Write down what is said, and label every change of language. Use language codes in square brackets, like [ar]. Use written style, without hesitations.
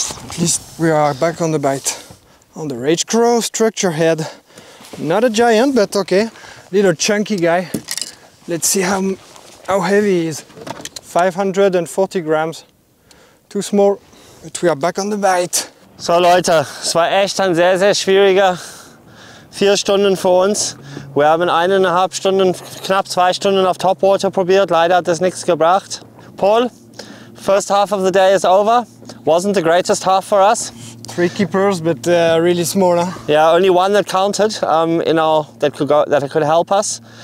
[en] At least we are back on the bite. On the Rage Crow structure head. Not a giant, but okay. Little chunky guy. Let's see how heavy he is. 540 grams. Too small, but we are back on the bite. [de] So, Leute, es war echt ein sehr, sehr schwieriger 4 Stunden für uns. Wir haben eineinhalb Stunden, knapp 2 Stunden auf Topwater probiert. Leider hat das nichts gebracht. [en] Paul, first half of the day is over. Wasn't the greatest half for us. 3 keepers, but really small. Huh? Yeah, only one that counted, you know, that could help us.